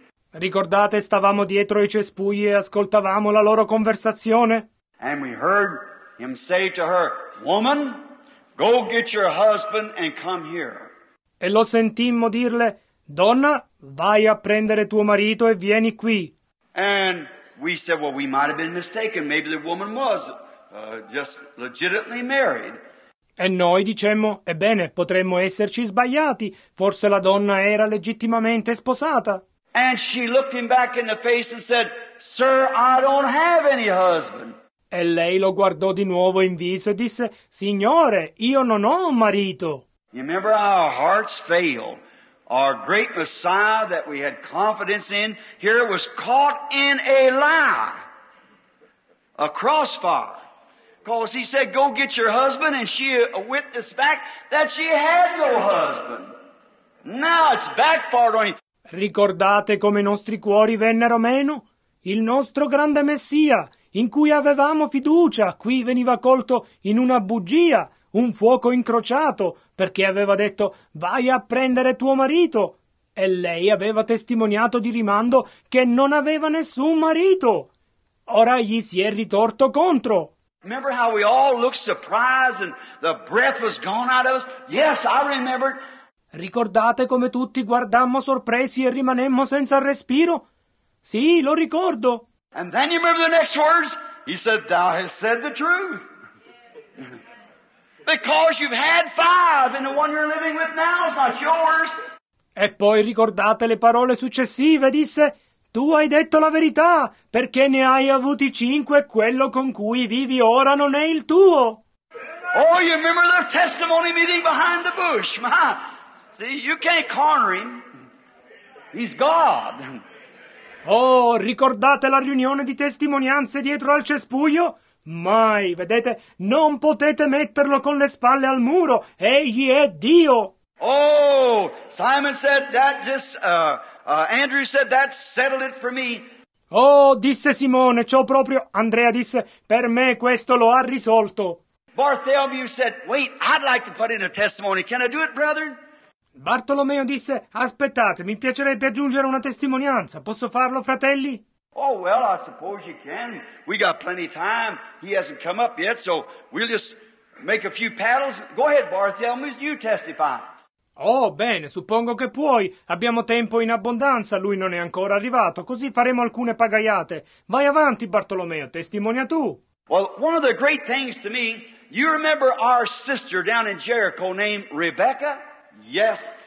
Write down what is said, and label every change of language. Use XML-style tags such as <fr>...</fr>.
<it>Ricordate, stavamo dietro i cespugli e ascoltavamo la loro conversazione.</it> <en>And we heard him say to her, woman, go get your husband and come here.</en> <it>E lo sentimmo dirle, donna, vai a prendere tuo marito e vieni qui.</it> <en>And we said, well, we might have been mistaken. Maybe the woman was just legitimately married.</en> <it>E noi dicemmo, ebbene, potremmo esserci sbagliati. Forse la donna era legittimamente sposata.</it> <en>And she looked him back in the face and said, sir, I don't have any husband.</en> <it>E lei lo guardò di nuovo in viso e disse, signore, io non ho un marito.</it> <en>You remember our hearts failed. Our great Messiah that we had confidence in here was caught in a lie, a crossfire. Because he said, go get your husband, and she witnessed back that she had no husband. Now it's backfired on you.</en> <it>Ricordate come i nostri cuori vennero meno? Il nostro grande Messia, in cui avevamo fiducia, qui veniva colto in una bugia, un fuoco incrociato, perché aveva detto, vai a prendere tuo marito. E lei aveva testimoniato di rimando che non aveva nessun marito. Ora gli si è ritorto contro.</it> <en>Remember how we all looked surprised and the breath was gone out of us? Yes, I remember.</en> <it>Ricordate come tutti guardammo sorpresi e rimanemmo senza respiro? Sì, lo ricordo.</it> <en>And then you remember the next words? He said, thou hast said the truth. Because you've had five, and the one you're living with now is not yours.</en> <it>E poi ricordate le parole successive, disse, tu hai detto la verità, perché ne hai avuti cinque, quello con cui vivi ora non è il tuo.</it> <en>Oh, you remember the testimony meeting behind the bush, ma? See, you can't corner him. He's God.</en> <it>Oh, ricordate la riunione di testimonianze dietro al cespuglio? Mai, vedete, non potete metterlo con le spalle al muro. Egli è Dio. Oh,</it> <en>Simon said, that just, Andrew said, that settled it for me.</en> <it>Oh, disse Simone, ciò proprio, Andrea disse, per me questo lo ha risolto.</it> <en>Bartholomew said, wait, I'd like to put in a testimony, can I do it, brother?</en> <it>Bartolomeo disse, aspettate, mi piacerebbe aggiungere una testimonianza, posso farlo, fratelli?</it> <en>Oh, well, I suppose you can, we got plenty of time, he hasn't come up yet, so we'll just make a few paddles. Go ahead, Bartholomew, you testify.</en> <it>Oh, bene, suppongo che puoi. Abbiamo tempo in abbondanza, lui non è ancora arrivato, così faremo alcune pagaiate. Vai avanti, Bartolomeo, testimonia tu.</it> <en>Well, one of the great things to me, you remember our sister down in Jericho named Rebecca? Yes.</en>